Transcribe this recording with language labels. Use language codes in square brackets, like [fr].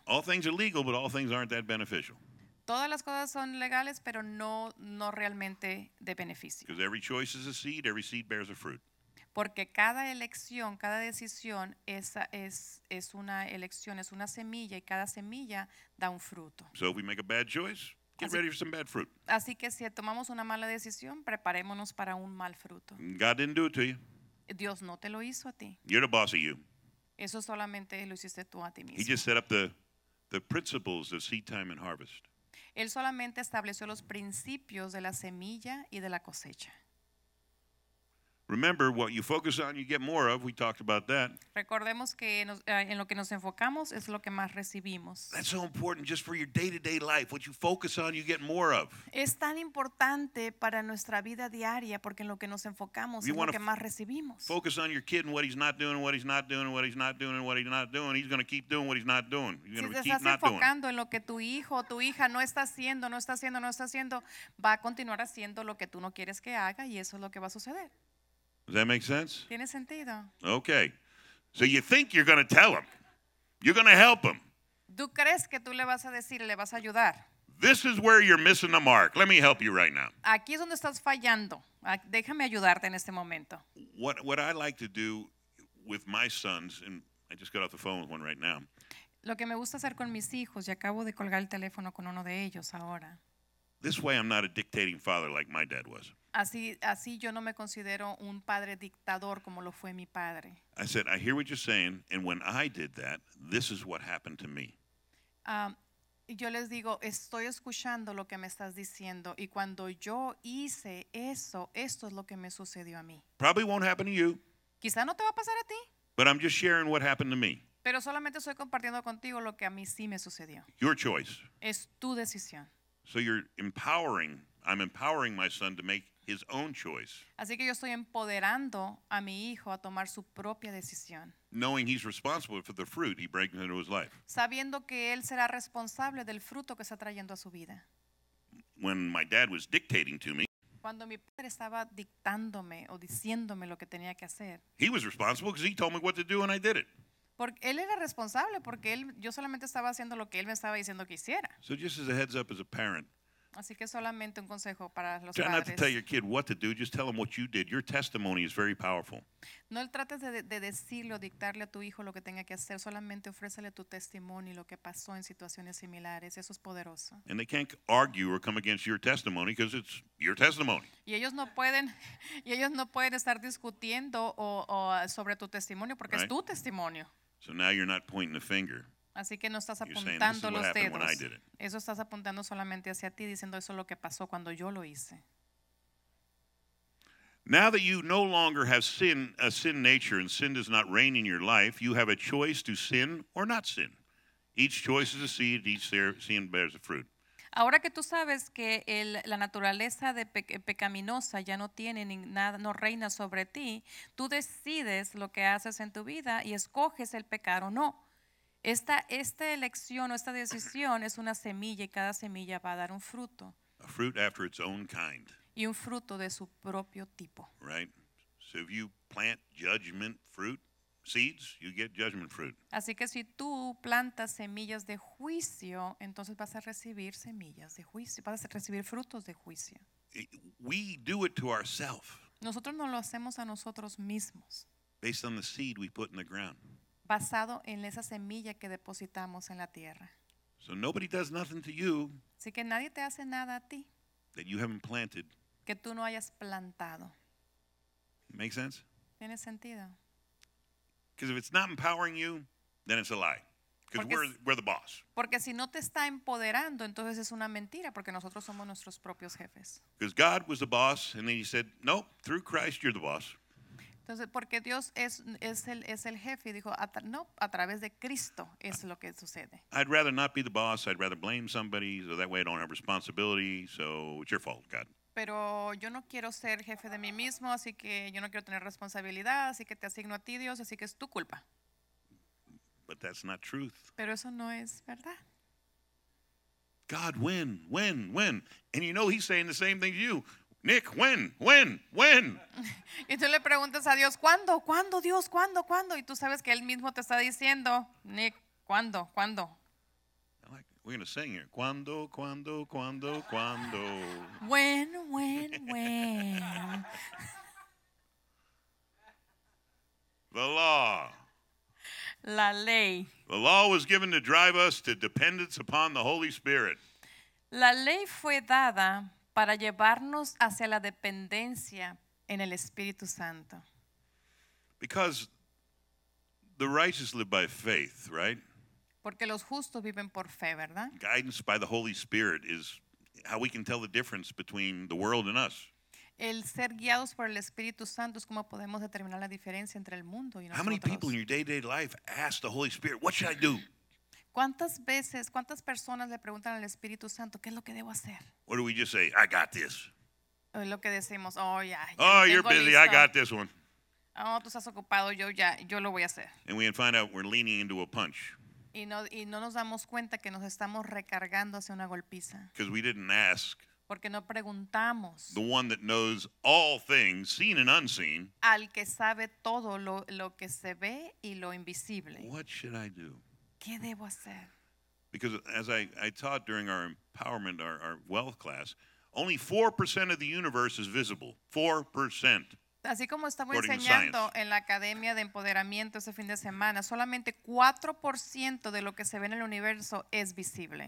[en] All things are legal, but all things aren't that beneficial. [es] Todas las cosas son legales, pero no realmente de beneficio. [en] Because every choice is a seed, every seed bears a fruit. [es] Porque cada elección, cada decisión es una elección, es una semilla, y cada semilla da un fruto. [en] So if we make a bad choice, get ready for some bad fruit. [es] Así que si tomamos una mala decisión, preparémonos para un mal fruto. [en] God didn't do it to you. [es] Dios no te lo hizo a ti. [en] You're the boss of you. [es] Eso solamente lo hiciste tú a ti mismo. [en] He just set up the principles of seed time and harvest. [es] Él solamente estableció los principios de la semilla y de la cosecha. [en] Remember, what you focus on, you get more of. We talked about that. [es] Recordemos que en lo que nos enfocamos es lo que más recibimos. [en] That's so important just for your day-to-day life. What you focus on, you get more of. [es] Es tan importante para nuestra vida diaria porque en lo que nos enfocamos es lo que más recibimos. [en] Focus on your kid and what he's not doing, what he's not doing, what he's not doing, and what he's not doing. He's going to keep doing what he's not doing. He's going to keep not doing. [es] Si estás enfocando en lo que tu hijo o tu hija no está haciendo, no está haciendo, no está haciendo, va a continuar haciendo lo que tú no quieres que haga y eso es lo que va a suceder. [en] Does that make sense? [es] Tiene sentido. [en] Okay. So you think you're going to tell him. You're going to help him. [es] ¿Tú crees que tú le vas a decir, le vas a ayudar? [en] This is where you're missing the mark. Let me help you right now. [es] Aquí es donde estás fallando. Déjame ayudarte en este momento. [en] What I like to do with my sons, and I just got off the phone with one right now. [es] Lo que me gusta hacer con mis hijos, y acabo de colgar el teléfono con uno de ellos ahora. [en] This way I'm not a dictating father like my dad was. [es] Así yo no me considero un padre dictador como lo fue mi padre. [en] I said, I hear what you're saying, and when I did that, this is what happened to me. [es] Yo les digo, estoy escuchando lo que me estás diciendo, y cuando yo hice eso, esto es lo que me sucedió a mí. [en] Probably won't happen to you. [es] Quizá no te va a pasar a ti. [en] But I'm just sharing what happened to me. [es] Pero solamente estoy compartiendo contigo lo que a mí sí me sucedió. [en] Your choice. [es] Es tu decisión. [en] So you're empowering, I'm empowering my son to make his own choice. [es] Así que yo estoy empoderando a mi hijo a tomar su propia decisión. [en] Knowing he's responsible for the fruit he brings into his life. [es] Sabiendo que él será responsable del fruto que está trayendo a su vida. [en] When my dad was dictating to me. [es] Cuando mi padre estaba dictándome o diciéndome lo que tenía que hacer. [en] He was responsible because he told me what to do and I did it. [es] Porque él era responsable porque él, yo solamente estaba haciendo lo que él me estaba diciendo que hiciera. [en] So just as a heads up as a parent. [es] Así que solamente un consejo para los padres. [en] Try not to tell your kid what to do. Just tell them what you did. Your testimony is very powerful. [es] No trates de decirle o dictarle a tu hijo lo que tenga que hacer. Solamente ofrécele tu testimonio y lo que pasó en situaciones similares. Eso es poderoso. [en] And they can't argue or come against your testimony because it's your testimony. [es] Y ellos no pueden estar discutiendo o sobre tu testimonio porque [en] right? [es] Es tu testimonio. [en] So now you're not pointing the finger. [es] Así que no estás apuntando los dedos. Eso estás apuntando solamente hacia ti, diciendo eso es lo que pasó cuando yo lo hice. [en] Now that you no longer have sin, a sin nature, and sin does not reign in your life, you have a choice to sin or not sin. Each choice is a seed, each sin bears a fruit. [es] Ahora que tú sabes que la naturaleza de pecaminosa ya no tiene ni nada, no reina sobre ti, tú decides lo que haces en tu vida y escoges el pecar o no. Esta elección o esta decisión es una semilla y cada semilla va a dar un fruto. [en] A fruit after its own kind. [es] Y un fruto de su propio tipo. [en] Right. So if you plant judgment fruit seeds, you get judgment fruit. [es] Así que si tú plantas semillas de juicio, entonces vas a recibir semillas de juicio, vas a recibir frutos de juicio. [en] We do it to ourselves. [es] Nosotros no lo hacemos a nosotros mismos. [en] Based on the seed we put in the ground. [es] Basado en esa semilla que depositamos en la tierra. [en] So nobody does nothing to you. [es] Así que nadie te hace nada a ti. [en] That you haven't planted. [es] Que tú no hayas plantado. [en] Make sense? [es] Tiene sentido. [en] Because if it's not empowering you, then it's a lie. Because we're the boss. [es] Porque si no te está empoderando, entonces es una mentira, porque nosotros somos nuestros propios jefes. [en] Because God was the boss, and then he said, nope, through Christ you're the boss. [es] Entonces, porque Dios es el jefe y dijo, no, a través de Cristo es lo que sucede. [en] I'd rather not be the boss. I'd rather blame somebody, so that way I don't have responsibility. So it's your fault, God. [es] Pero yo no quiero ser jefe de mí mismo, así que yo no quiero tener responsabilidad, así que te asigno a ti, Dios, así que es tu culpa. [en] But that's not truth. [es] Pero eso no es verdad. [en] God, when? And you know he's saying the same thing to you. Nick, when? [es] Y tú le preguntas a Dios, ¿cuándo? ¿Cuándo, Dios? ¿Cuándo? ¿Cuándo? Y tú sabes que él mismo te está diciendo, Nick, ¿cuándo? ¿Cuándo? [en] We're going to sing here. [es] ¿Cuándo? ¿Cuándo? ¿Cuándo? ¿Cuándo? [en] When? The law. [es] La ley. [en] The law was given to drive us to dependence upon the Holy Spirit. [es] La ley fue dada para llevarnos hacia la dependencia en el Espíritu Santo. [en] Because the righteous live by faith, right? [es] Porque los justos viven por fe, ¿verdad? [en] Guidance by the Holy Spirit is how we can tell the difference between the world and us. [es] El ser guiados por el Espíritu Santo es cómo podemos determinar la diferencia entre el mundo y nosotros. [en] How many people in your day-to-day life ask the Holy Spirit, "What should I do?" [es] ¿Cuántas veces, cuántas personas le preguntan al Espíritu Santo qué es lo que debo hacer? [en] Or do we just say, "I got this"? [es] O lo que decimos, [en] "Oh yeah." Oh, you're busy. [es] Listo. [en] I got this one. [es] Oh, tú estás ocupado. Yo lo voy a hacer. [en] And we find out we're leaning into a punch. [es] Y no nos damos cuenta que nos estamos recargando hacia una golpiza. [en] Because we didn't ask. [es] Porque no preguntamos. [en] The one that knows all things, seen and unseen. [es] Al que sabe todo lo que se ve y lo invisible. [en] What should I do? [es] ¿Qué debo hacer? [en] Because as I taught during our empowerment, our wealth class, only 4% of the universe is visible. 4%. [es] Así como estaba enseñando en la Academia de Empoderamiento ese fin de semana, solamente 4% de lo que se ve en el universo es visible.